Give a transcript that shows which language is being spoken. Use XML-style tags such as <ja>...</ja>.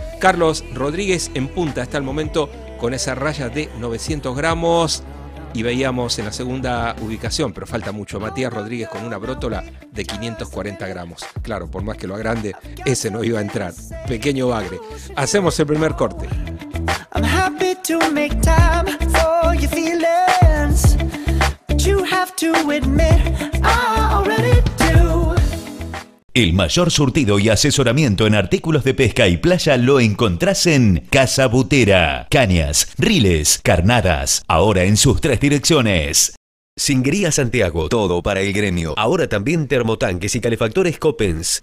<es>Carlos Rodríguez en punta hasta el momento con esa raya de 900 gramos y veíamos en la segunda ubicación, pero falta mucho, Matías Rodríguez con una brótola de 540 gramos. Claro, por más que lo agrande, ese no iba a entrar. Pequeño bagre. Hacemos el primer corte.</es> <en>I'm happy to make time for your feelings, but you have to admit I already do.</en> <es>El mayor surtido y asesoramiento en artículos de pesca y playa lo encontrás en Casa Butera. Cañas, riles, carnadas, ahora en sus tres direcciones. Singuería Santiago, todo para el gremio. Ahora también termotanques y calefactores Coppens.</es>